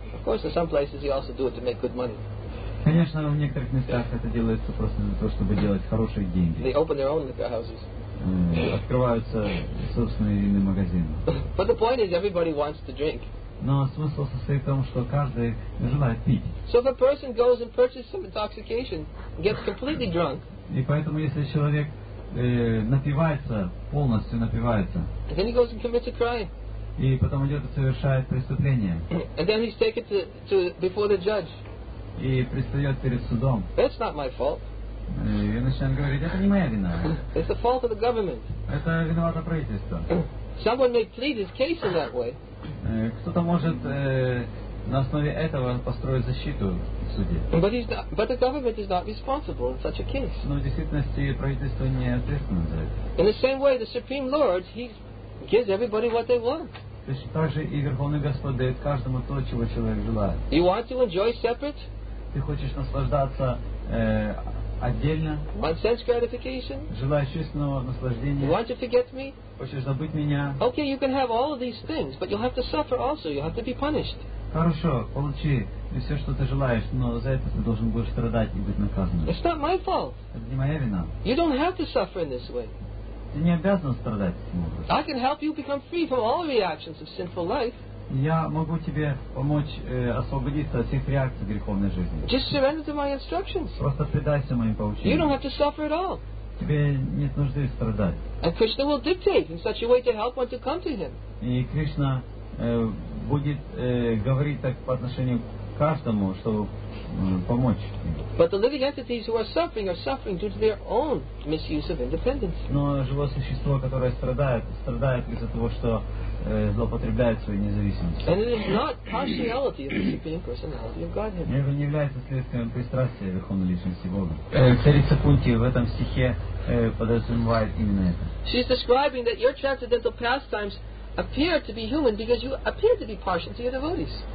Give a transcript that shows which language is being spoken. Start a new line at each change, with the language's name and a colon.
English: Of course, in some places you also do it to make good money.
Russian: Конечно, в некоторых местах это делается просто для того, чтобы делать хорошие деньги.
English: They open their own liquor houses.
Russian: Открываются собственные винные магазины.
English: But the point is, everybody wants to drink.
Russian: Но смысл состоит в том, что каждый желает пить.
English: So if a person goes and purchases some intoxication, gets completely drunk.
Russian: И поэтому, если человек напивается полностью, напивается.
English: And then he goes and commits a crime.
Russian: И потом идет и совершает преступление.
English: And then he's taken to before the judge.
Russian: И предстает перед судом.
English: That's not my fault.
Russian: И начинает говорить, это не моя вина.
English: It's the fault of the government.
Russian: Это виновато правительство.
English: Someone may plead his case in that way.
Russian: Кто-то может на основе этого построить защиту в суде.
English: But the government is not responsible in such a case.
Russian: Но в действительности правительство не ответственно за это.
English: In the same way, the Supreme Lord, he gives everybody what they want.
Russian: То есть так же и Верховный Господь дает каждому то, чего человек желает.
English: You want to enjoy separate?
Russian: Ты хочешь наслаждаться отдельно?
English: Want sense gratification?
Russian: Желаешь чувственного наслаждения?
English: You want to forget me?
Russian: Хочешь забыть меня?
English: Okay, you can have all of these things, but you'll have to suffer also. You'll have to be punished.
Russian: Хорошо, получи все, что ты желаешь, но за это ты должен будешь страдать и быть наказанным.
English: It's not my fault.
Russian: Это не моя вина.
English: You don't have to suffer in this way.
Russian: Ты не обязан страдать таким образом.
English: I can help you become free from all reactions of sinful life.
Russian: Я могу тебе помочь освободиться от всех реакций греховной жизни.
English: Just surrender to my instructions.
Russian: Просто предайся моим поучениям.
English: You don't have to suffer at all.
Russian: Тебе нет нужды страдать.
English: And Krishna will dictate in such a way to help one to come to him.
Russian: И Кришна будет говорить так по отношению к каждому, чтобы помочь.
English: But the living entities who are suffering due to their own misuse of independence.
Russian: Но живое существо, которое страдает из-за того, что злоупотребляет своей независимостью.
English: And it is not partiality of the Supreme Personality of Godhead.
Russian: Это не является следствием пристрастия Верховной Личности Бога. Царица Кунти в этом стихе подразумевает именно это.
English: She's describing that your transcendental pastimes appear to be human because you appear to be partial to your devotees.